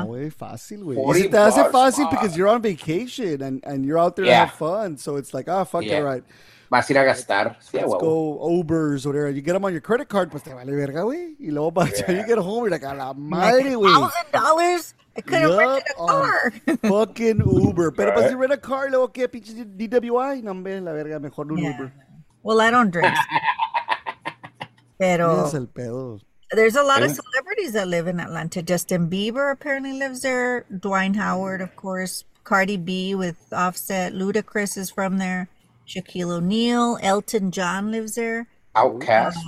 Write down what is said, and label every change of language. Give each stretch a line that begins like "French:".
English: No, way, fácil, güey. Is it that fácil? Because you're on vacation and you're out there to have fun. So it's like, all right.
Spanish: Vas a ir a gastar.
English: Let's go Ubers, whatever. You get them on your credit card,
Spanish: pues te vale verga, güey. Y luego,
English: by the time you get home, you're like,
Spanish: a la madre, güey.
English: $1,000? I could have rented a car. Fucking Uber.
Spanish: Pero pues si
English: rent a car,
Spanish: luego que pinche DWI, no me la verga, mejor un Uber.
English: Well, I don't drink.
Spanish: Pero es el pedo.
English: There's a lot of celebrities that live in Atlanta. Justin Bieber apparently lives there. Dwayne Howard, of course. Cardi B with Offset. Ludacris is from there. Shaquille O'Neal. Elton John lives there. Outkast.